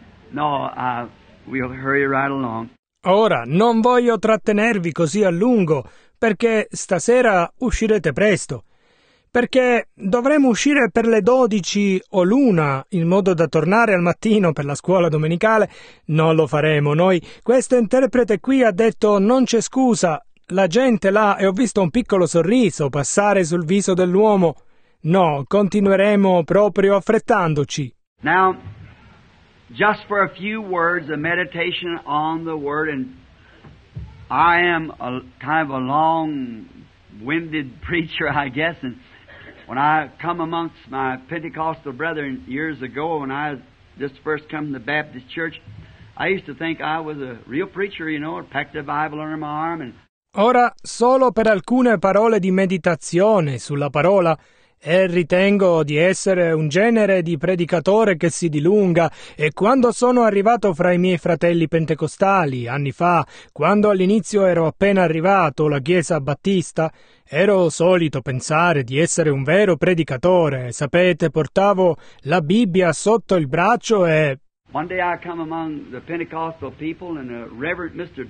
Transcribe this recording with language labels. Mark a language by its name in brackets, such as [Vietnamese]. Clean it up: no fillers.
[English] No, we'll hurry right along. [Italian] Ora, non voglio trattenervi così a lungo, perché stasera uscirete presto. Perché dovremo uscire per le 12 o l'una, in modo da tornare al mattino per la scuola domenicale. Non lo faremo noi. Questo interprete qui ha detto non c'è scusa. La gente là, e ho visto un piccolo sorriso passare sul viso dell'uomo. No, continueremo proprio affrettandoci. [English] Now, just for a few words, a meditation on the word, and I am a kind of a long-winded preacher, I guess, and when I come amongst my Pentecostal brethren years ago, when I just first come to the Baptist church, I used to think I was a real preacher, you know, packed a Bible under my arm. And [Italian] ora, solo per alcune parole di meditazione sulla parola, e ritengo di essere un genere di predicatore che si dilunga, e quando sono arrivato fra i miei fratelli pentecostali, anni fa, quando all'inizio ero appena arrivato alla Chiesa Battista, ero solito pensare di essere un vero predicatore, sapete, portavo la Bibbia sotto il braccio e... [English] One day I come among the Pentecostal people and the Reverend Mr.